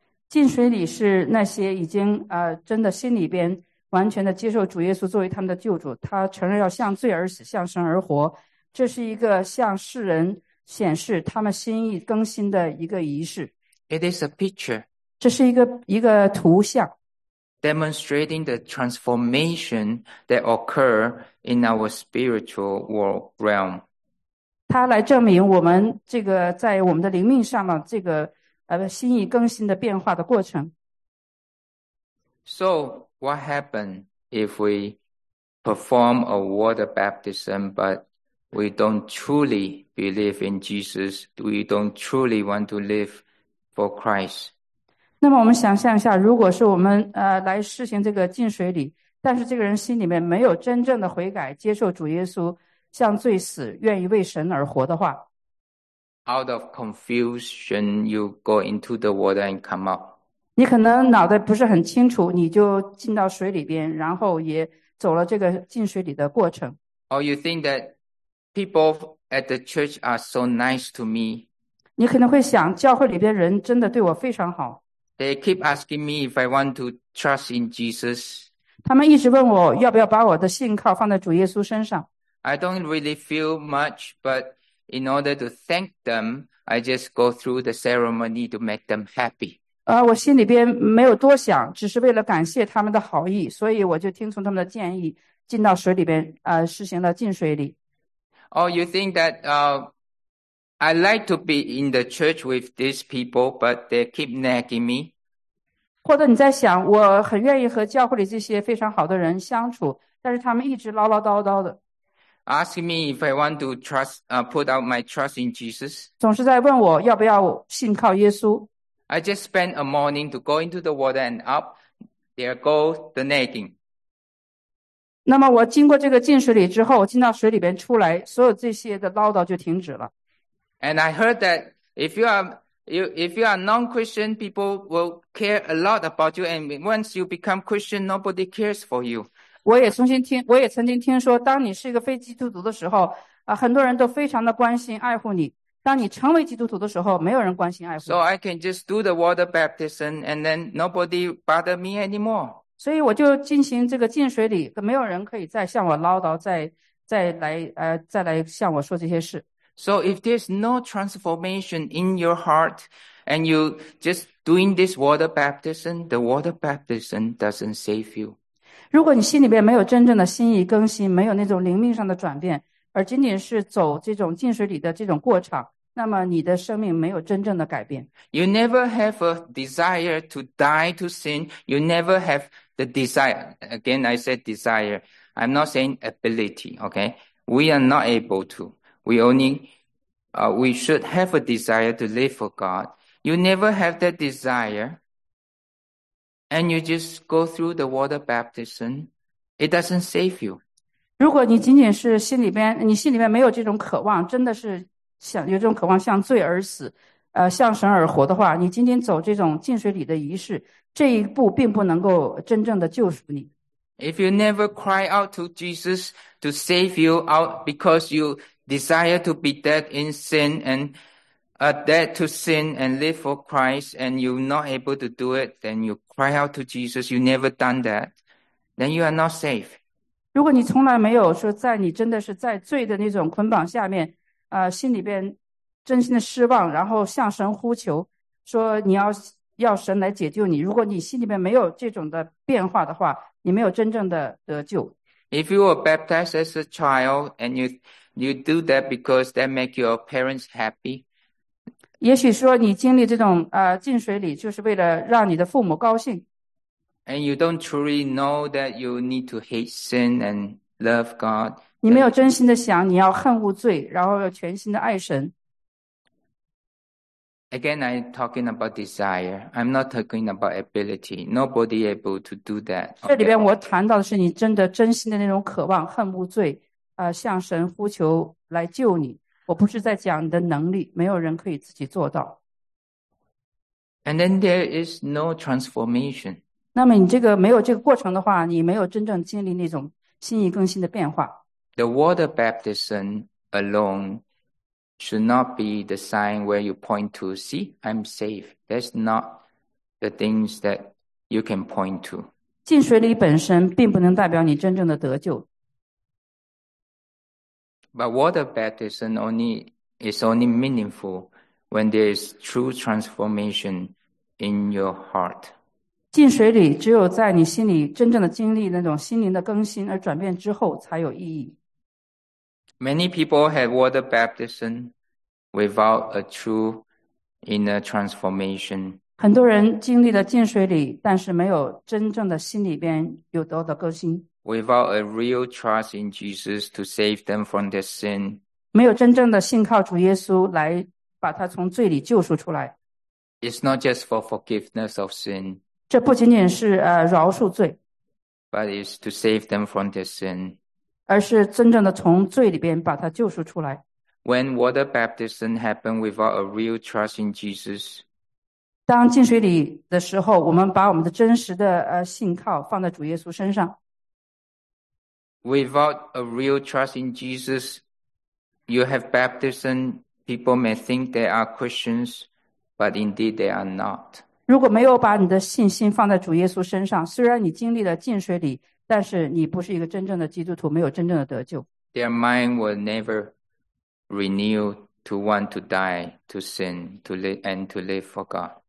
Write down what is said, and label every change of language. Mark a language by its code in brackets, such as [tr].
[zh] 浸水礼是那些已经真的心里边完全的接受主耶稣作为他们的救主，他承认要向罪而死，向神而活。这是一个向世人显示他们心意更新的一个仪式。 [en] It is a picture. [zh] 这是一个图像。 [en] Demonstrating the transformation that occur in our spiritual world realm. [zh] 他来证明我们这个在我们的灵命上的这个心意更新的变化的过程。 [en] So, what happens if we perform a water baptism, but we don't truly believe in Jesus? We don't truly want to live for Christ? [zh] 那么我们想象一下，如果是我们来施行这个浸水礼，但是这个人心里面没有真正的悔改，接受主耶稣向罪死，愿意为神而活的话， [en] Out of confusion, you go into the water and come out. [zh] 你可能脑袋不是很清楚，你就进到水里边，然后也走了这个浸水里的过程。 [en] Or you think that people at the church are so nice to me. [zh] 你可能会想，教会里边人真的对我非常好。 [en] They keep asking me if I want to trust in Jesus. [zh] 他们一直问我要不要把我的信靠放在主耶稣身上。 [en] I don't really feel much, but in order to thank them, I just go through the ceremony to make them happy. [zh] 我心里边没有多想，只是为了感谢他们的好意，所以我就听从他们的建议，进到水里边，实行了浸水礼。 [en] Oh, you think that, I like to be in the church with these people, but they keep nagging me? [zh] 或者你在想，我很愿意和教会里这些非常好的人相处，但是他们一直唠唠叨叨的。 [en] Ask me if I want to trust, put out my trust in Jesus. [zh] 总是在问我要不要信靠耶稣。 [en] I just spend a morning to go into the water and up, there goes the nagging. [zh] 那么我经过这个浸水里之后，我进到水里边出来，所有这些的唠叨就停止了。 [en] And I heard that if you are non-Christian, people will care a lot about you, and once you become Christian, nobody cares for you. [zh] 我也曾经听说，当你是一个非基督徒的时候，很多人都非常的关心爱护你。当你成为基督徒的时候，没有人关心爱护你。 [en] So I can just do the water baptism, and then nobody bother me anymore. [zh] 所以我就进行这个浸水礼，没有人可以再向我唠叨，再来向我说这些事。 [en] So if there's no transformation in your heart, and you just doing this water baptism, the water baptism doesn't save you. [zh] 如果你心里面没有真正的心意更新，没有那种灵命上的转变，而仅仅是走这种浸水里的这种过程，那么你的生命没有真正的改变。 [en] You never have a desire to die to sin. You never have the desire. Again, I said desire. I'm not saying ability, okay? We are not able to. We only, we should have a desire to live for God. You never have that desire. And you just go through the water baptism. It doesn't save you. [zh] 如果你仅仅是心里边，你心里面没有这种渴望，真的是想有这种渴望向罪而死，向神而活的话，你仅仅走这种浸水礼的仪式，这一步并不能够真正的救赎你。 [en] If you never cry out to Jesus to save you out because you desire to be dead in sin and dead to sin and live for Christ and you're not able to do it, then you cry out to Jesus, you never done that, then you are not saved. [zh] 如果你从来没有说在你真的是在罪的那种捆绑下面，心里边真心的失望，然后向神呼求说你要神来解救你，如果你心里边没有这种的变化的话，你没有真正的得救。 [en] If you were baptized as a child and you do that because that make your parents happy, [zh] 也许说你经历这种浸水礼就是为了让你的父母高兴。 [en] And you don't truly know that you need to hate sin and love God, [zh] 你没有真心的想你要恨恶罪，然后要全心的爱神。 [en] Again, I'm talking about desire. I'm not talking about ability. Nobody able to do that. [zh] 这里边我谈到的是你真的真心的那种渴望恨恶罪，向神呼求来救你。我不是在讲你的能力，没有人可以自己做到。 [en] And then there is no transformation. [zh] 那么你这个没有这个过程的话，你没有真正经历那种心意更新的变化。 [en] The water baptism alone should not be the sign where you point to, see, I'm safe. That's not the things that you can point to. [zh] 浸水礼本身并不能代表你真正的得救。 [en] But water baptism is only meaningful when there is true transformation in your heart. [zh] 浸水礼只有在你心里真正的经历那种心灵的更新而转变之后才有意义。 [en] Many people had water baptism without a true inner transformation. [zh] 很多人经历了浸水礼，但是没有真正的心里边有得的更新。 [en] Without a real trust in Jesus to save them from their sin. [zh] 没有真正的信靠主耶稣来把他从罪里救赎出来。 [en] It's not just for forgiveness of sin. [zh] 这不仅仅是饶恕罪。 [en] But it's to save them from their sin. [zh] 而是真正的从罪里边把他救赎出来。 [en] When water baptism happened without a real trust in Jesus. [zh] 当浸水礼的时候，我们把我们的真实的信靠放在主耶稣身上。 [en] Without a real trust in Jesus, you have baptism. People may think they are Christians, but indeed they are not. [zh] 如果没有把你的信心放在主耶稣身上，虽然你经历了浸水礼，但是你不是一个真正的基督徒，没有真正的得救。 [en] Their mind will never renew to want to die to sin to live and to live for God.